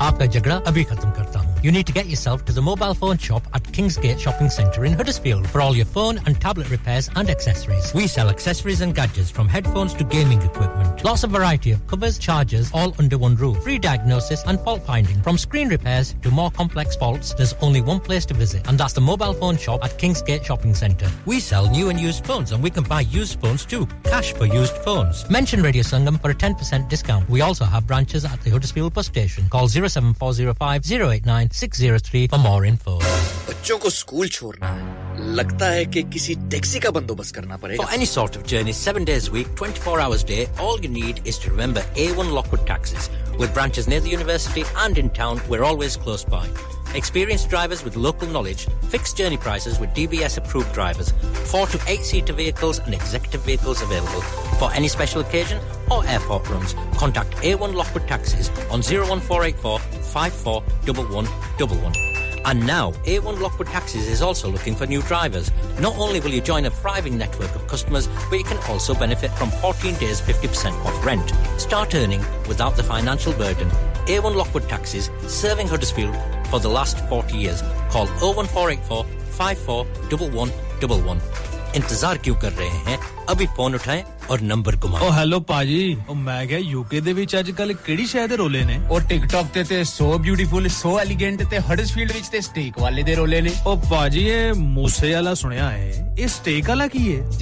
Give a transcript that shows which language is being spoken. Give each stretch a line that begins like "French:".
Hindi: आपका झगड़ा अभी खत्म करता हूं
English: You need to get yourself to the mobile phone shop at Kingsgate shopping centre in Huddersfield for all your phone and tablet repairs and accessories we sell accessories and gadgets from headphones to gaming equipment lots of variety of covers chargers all under one roof free diagnosis and fault finding from screen repairs to more complex faults there's only one place to visit and that's the mobile phone shop at Kingsgate shopping centre we sell new and used phones and we can buy used phones too. Cash for used phones. Mention Radio Sangam for a 10% discount. We also have branches at the Huddersfield bus station. Call 07405-089-603 for more info.
Hindi: बच्चों को school छोड़ना है लगता है कि किसी taxi का बंदोबस्त करना पड़ेगा
English: For any sort of journey 7 days a week 24 hours a day all you need is to remember A1 Lockwood taxis with branches near the university and in town we're always close by Experienced drivers with local knowledge, fixed journey prices with DBS approved drivers, 4 to 8-seater vehicles and executive vehicles available. For any special occasion or airport runs, contact A1 Lockwood Taxis on 01484 541111. And now, A1 Lockwood Taxis is also looking for new drivers. Not only will you join a thriving network of customers, but you can also benefit from 14 days 50% off rent. Start earning without the financial burden. A1 Lockwood Taxis, serving Huddersfield for the last 40 years. Call 01484 541111.
Hindi: ਇੰਤਜ਼ਾਰ ਕਿਉਂ ਕਰ ਰਹੇ ਹੈ ਅਭੀ phone ਉਠਾਏ ਔਰ number ਘੁਮਾਓ
Punjabi: ਓ hello ਪਾਜੀ ਓ ਮੈਂ ਕਿਹਾ ਯੂਕੇ ਦੇ ਵਿੱਚ ਅੱਜ ਕੱਲ ਕਿਹੜੀ ਸ਼ਹਿਰ ਦੇ ਰੋਲੇ ਨੇ ਓ ਟਿਕਟੋਕ ਤੇ
English: so beautiful so elegant
Punjabi: ਤੇ ਹਡਸਫੀਲਡ ਵਿੱਚ ਤੇ ਸਟੇਕ ਵਾਲੇ ਦੇ ਰੋਲੇ ਨੇ ਓ ਪਾਜੀ ਇਹ ਮੂਸੇ ਵਾਲਾ ਸੁਣਿਆ ਹੈ ਇਹ ਸਟੇਕ ਵਾਲਾ ਕੀ ਹੈ